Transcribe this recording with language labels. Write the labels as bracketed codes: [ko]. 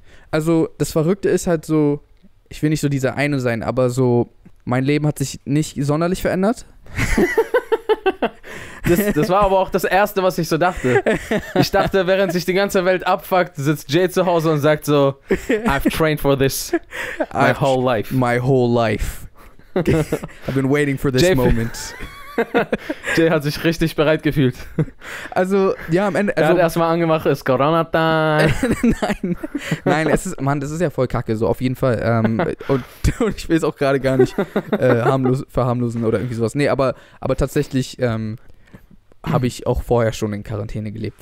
[de] Also, das Verrückte ist halt so, ich will nicht so dieser eine sein, aber so, mein Leben hat sich nicht sonderlich verändert. Das war aber auch das Erste, was ich so dachte. Ich dachte, während sich die ganze Welt abfuckt, sitzt Jay zu Hause und sagt so, [en] I've trained for this my whole life. My whole life. I've been waiting for this Jay moment. [de] Jay hat sich richtig bereit gefühlt. Also, ja, am Ende. Er hat erstmal angemacht, ist Corona-Time. Nein, es ist, Mann, das ist ja voll kacke, so auf jeden Fall. Und ich will es auch gerade gar nicht verharmlosen oder irgendwie sowas. Nee, aber tatsächlich, habe ich auch vorher schon in Quarantäne gelebt.